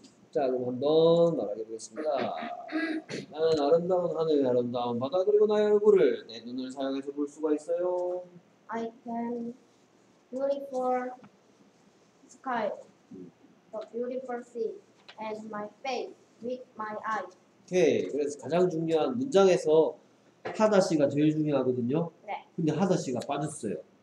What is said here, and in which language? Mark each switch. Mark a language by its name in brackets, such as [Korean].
[Korean] 자, 그럼 한번 말하게 되겠습니다. 나는 아름다운 하늘, 아름다운 바다, 그리고 나의 얼굴을 내 눈을 사용해서 볼 수가 있어요. [English] I can beautiful sky, the beautiful sea, and my face with my eye. [Korean] 오케이, 그래서 가장 중요한 문장에서 하다시가 제일 중요하거든요. 네. 근데 하다시가 빠졌어요.